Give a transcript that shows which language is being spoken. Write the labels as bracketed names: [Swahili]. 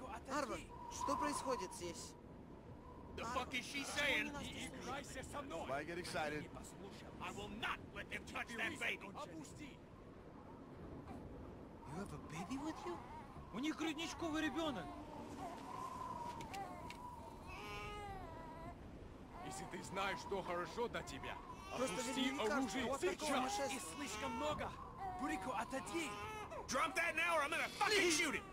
[Russian] Arvo, что происходит здесь? [English] The fuck is she saying? Why get excited? I will not let them touch that baby. [Russian] Опусти! [English] You have a baby with you? [Russian] У них грудничковый ребенок. Если ты знаешь, что хорошо для тебя, опусти оружие сейчас! И слишком много! Бурико, отойди! [English] Drop that now or I'm gonna fucking shoot it!